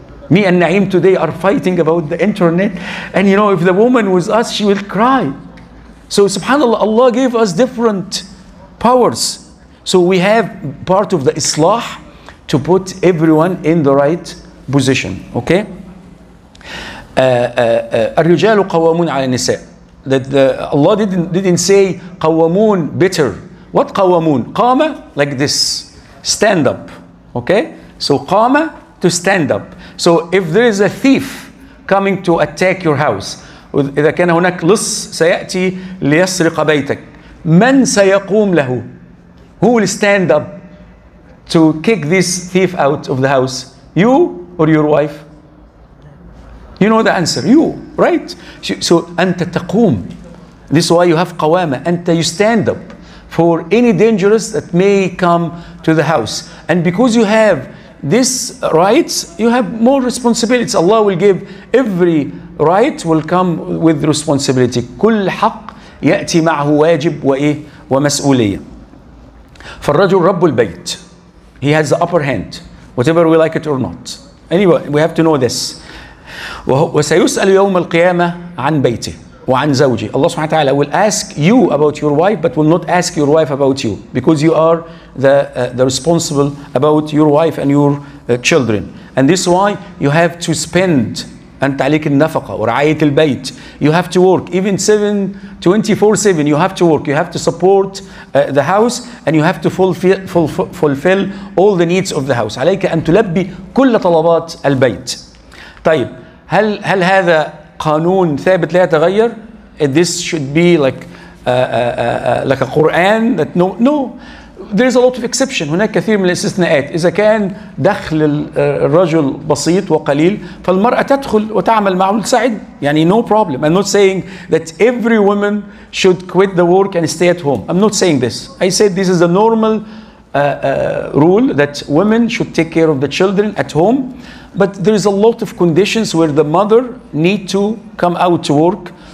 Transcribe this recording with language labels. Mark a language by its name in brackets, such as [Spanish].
[English] Me and Naeem today are fighting about the internet. And you know, if the woman was us, she will cry. So subhanAllah, Allah gave us different powers. So we have part of the islah to put everyone in the right position, okay? [Arabic] الرجال قوامون على النساء. [English] That Allah didn't say قوامون bitter. What قوامون? قام like this, stand up, okay? So قام to stand up. So if there is a thief coming to attack your house, [Arabic] إذا كان هناك لص سيأتي ليسرق بيتك, من سيقوم له? [English] Who will stand up to kick this thief out of the house? You or your wife? You know the answer. You, right? [Arabic] So أنت تقوم. [English] This is why you have قوامة. أنت you stand up for any dangerous that may come to the house. And because you have this rights, you have more responsibilities. Allah will give every right will come with responsibility. [Arabic] كل حق يأتي معه واجب وإيه ومسؤولية. فالرجل رب البيت. [English] He has the upper hand, whatever we like it or not. Anyway, we have to know this. [Arabic] وسيسأل يوم القيامة عن بيته وعن زوجي. [English] Allah subhanahu wa ta'ala will ask you about your wife, but will not ask your wife about you, because you are the responsible about your wife and your children. And this is why you have to spend. [Arabic] أنت عليك النفقة ورعاية البيت. [English] You have to work even 24/7. You have to work. You have to support the house and you have to fulfill all the needs of the house. [Arabic] عليك أن تلبي كل طلبات البيت. طيب هل هذا قانون ثابت لا يتغير? [English] This should be like a Quran that no. there is a lot of exception. [Arabic] هناك كثير من الاستثناءات. إذا كان دخل الرجل بسيط وقليل فالمرأة تدخل وتعمل معه لتساعد. [English] يعني no problem. I'm not saying that every woman should quit the work and stay at home. I'm not saying this. I said this is a normal rule that women should take care of the children at home. But there is a lot of conditions where the mother need to come out to work.